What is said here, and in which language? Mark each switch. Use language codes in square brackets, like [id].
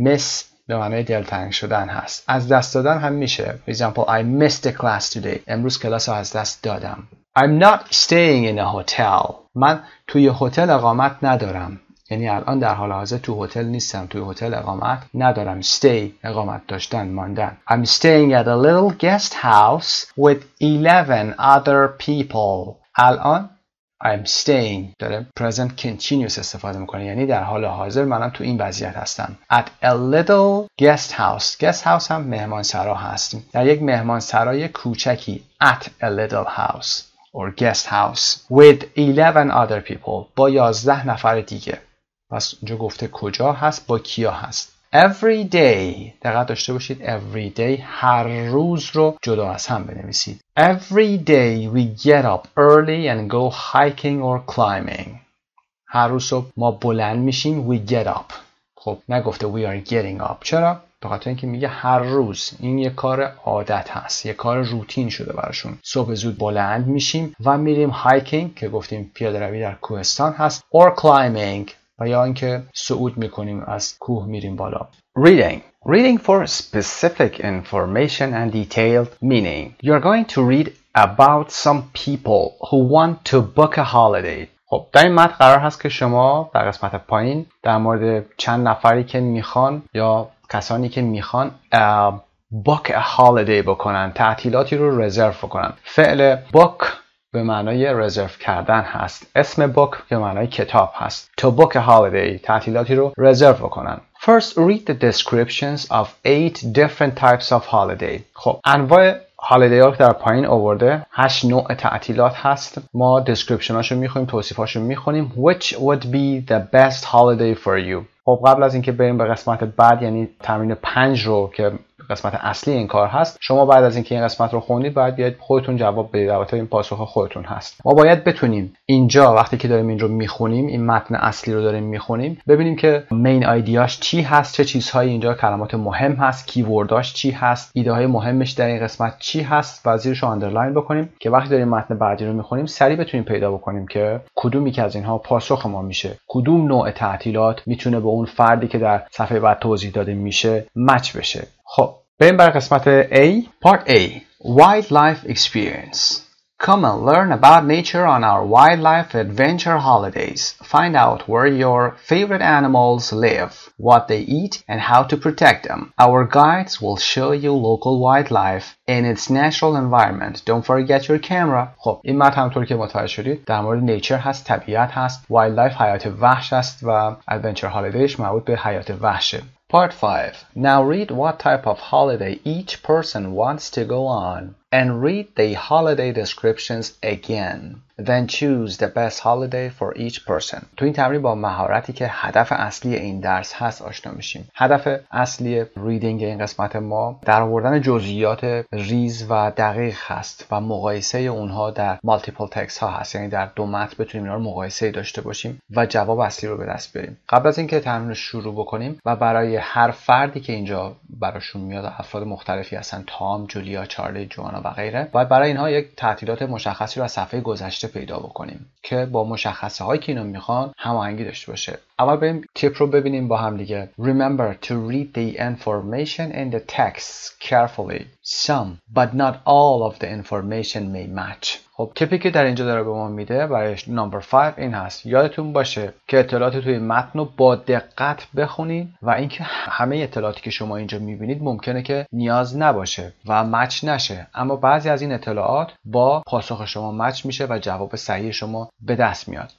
[fa] Miss به معنی دلتنگ شدن هست. از دست دادن هم میشه. [en] For example, I missed the class today. [fa] امروز کلاس رو از دست دادم. [en] I'm not staying in a hotel. [fa] من توی هتل اقامت ندارم. یعنی الان در حال حاضر تو هتل نیستم، تو هتل اقامت ندارم. stay اقامت داشتن، ماندن. [en] I'm staying at a little guest house with 11 other people. [fa] الان [en] I'm staying [fa] داره present continuous استفاده میکنه، یعنی در حال حاضر منم تو این وضعیت هستم. [en] At a little guest house. Guest house [fa] هم مهمانسرا هست. در یک مهمانسرای کوچکی. [en] At a little house or guest house with 11 other people. [fa] با 11 نفر دیگه. پس اینجا گفته کجا هست، با کیا هست. [en] Every day. [fa] دقت داشته باشید every day هر روز رو جدا از هم بنویسید. [en] Every day we get up early and go hiking or climbing. [fa] هر روز صبح ما بلند میشیم. [en] We get up. [fa] خب نگفته [en] we are getting up. [fa] چرا؟ به خاطر اینکه میگه هر روز. این یه کار عادت هست، یه کار روتین شده براشون. صبح زود بلند میشیم و میریم hiking که گفتیم پیاده روی در کوهستان هست، or climbing و یا اینکه صعود میکنیم از کوه میریم بالا. [en] Reading for specific information and detailed meaning. You're going to read about some people who want to book a holiday. [fa] خب در این متن قرار هست که شما در قسمت پایین در مورد چند نفری که میخوان یا کسانی که میخوان [en] book a holiday [fa] بکنن، تعطیلاتی رو رزرو بکنن. فعل book به معنای رزرو کردن هست. اسم بک به معنای کتاب هست. [en] To book a holiday، [fa] تعطیلاتی رو رزرو کنن. [en] First read the descriptions of 8 different types of holiday. [fa] خب انواع هالیدی ها در پایین آورده. 8 نوع تعطیلات هست. ما دسکریپشن هاشو میخونیم، توصیف هاشو میخونیم. [en] Which would be the best holiday for you. [fa] خب قبل از اینکه بریم به قسمت بعد، یعنی تمرین 5 رو که قسمت اصلی این کار هست، شما بعد از اینکه این قسمت رو خوندید باید بیاید خودتون جواب بدید. البته این پاسخ خودتون هست. ما باید بتونیم اینجا وقتی که داریم این رو میخونیم، این متن اصلی رو داریم میخونیم، ببینیم که مین ایدیاش چی هست، چه چیزهایی اینجا کلمات مهم هست، کیورداش چی هست، ایده های مهمش در این قسمت چی هست، وزیرش رو اندرلاین بکنیم که وقتی داریم متن بعدی رو میخونیم سریع بتونیم پیدا بکنیم که کدومی که از اینها پاسخ ما میشه، کدوم نوع تعطیلات میتونه به اون فردی که در صفحه بعد توضیح داده میشه مچ بشه. خب بریم برای قسمت A. [en] Part A. Wildlife Experience. Come and learn about nature on our wildlife adventure holidays. Find out where your favorite animals live, what they eat, and how to protect them. Our guides will show you local wildlife in its natural environment. Don't forget your camera. [fa] خب این متن همونطور که متوجه شدید در مورد نیچر هست، طبیعت هست، wildlife حیات وحش هست و adventure holidays مربوط به حیات وحشه. [en] Part 5. Now read what type of holiday each person wants to go on and read the holiday descriptions again. Then choose the best holiday for each person. [fa] تو این تمرین با مهارتی که هدف اصلی این درس هست آشنا میشیم. هدف اصلی ریدینگ این قسمت ما در آوردن جزئیات ریز و دقیق هست و مقایسه اونها در مالتیپل تکست ها هست، یعنی در دو متن بتونیم اینا رو مقایسه داشته باشیم و جواب اصلی رو به دست بیاریم. قبل از اینکه تمرین رو شروع بکنیم و برای هر فردی که اینجا براشون میاد، افراد مختلفی هستن، تام، جولیا، چارلی، جوانا، و غیره، باید برای اینها یک تعطیلات مشخصی رو از صفحه گذشته پیدا بکنیم که با مشخصه هایی که اینو میخوان هماهنگی داشته باشه. اول بریم تیپ رو ببینیم با هم دیگه. [en] Remember to read the information in the text carefully. Some but not all of the information may match. [fa] خب تیپی که در اینجا داره به ما میده برای نمبر 5 این هست. یادتون باشه که اطلاعات توی متن رو با دقت بخونید و اینکه همه اطلاعاتی که شما اینجا میبینید ممکنه که نیاز نباشه و مچ نشه، اما بعضی از این اطلاعات با پاسخ شما مچ میشه و جواب صحیح شما به دست میاد.